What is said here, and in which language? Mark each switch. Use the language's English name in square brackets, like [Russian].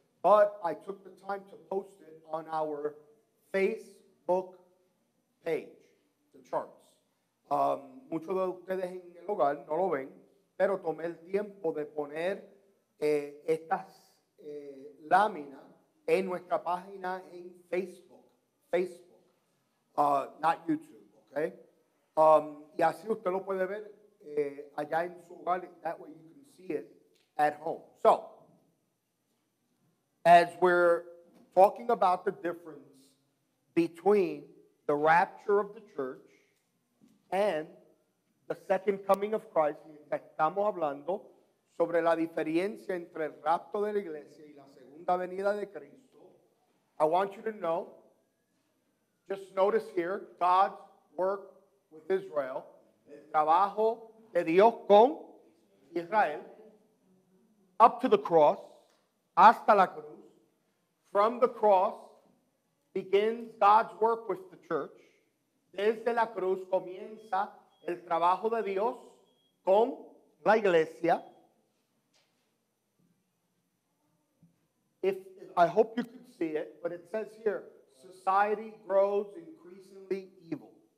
[English] But I took the time to post it on our Facebook page, the charts. [Spanish] Muchos de ustedes en el hogar no lo ven, pero tomé el tiempo de poner estas láminas en nuestra página en Facebook. [English] Facebook, not YouTube, okay? [Spanish] Y así usted lo puede ver allá en su hogar. [English] That way you can see it at home. So, as we're talking about the difference between the rapture of the church and the second coming of Christ, [Spanish] estamos hablando sobre la diferencia entre el rapto de la iglesia y la segunda venida de Cristo. [English] I want you to know, just notice here, God's work with Israel, [Spanish] el trabajo de Dios con Israel, [English] up to the cross, [Spanish] hasta la cruz. [English] From the cross begins God's work with the church. [Spanish] Desde la cruz comienza el trabajo de Dios con la iglesia. [English] I hope you can see it, but it says here, society grows increasingly evil.